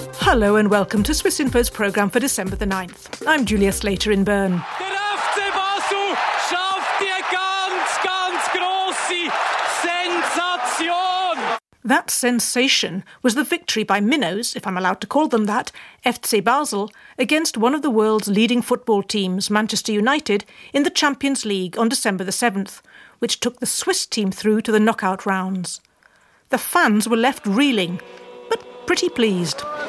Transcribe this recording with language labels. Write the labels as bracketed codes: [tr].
[en] Hello and welcome to Swiss Info's programme for December the 9th. I'm Julia Slater in Bern. [de] Der FC Basel schafft die ganz, ganz große Sensation! [en] That sensation was the victory by Minnows, if I'm allowed to call them that, FC Basel, against one of the world's leading football teams, Manchester United, in the Champions League on December the 7th, which took the Swiss team through to the knockout rounds. The fans were left reeling, but pretty pleased.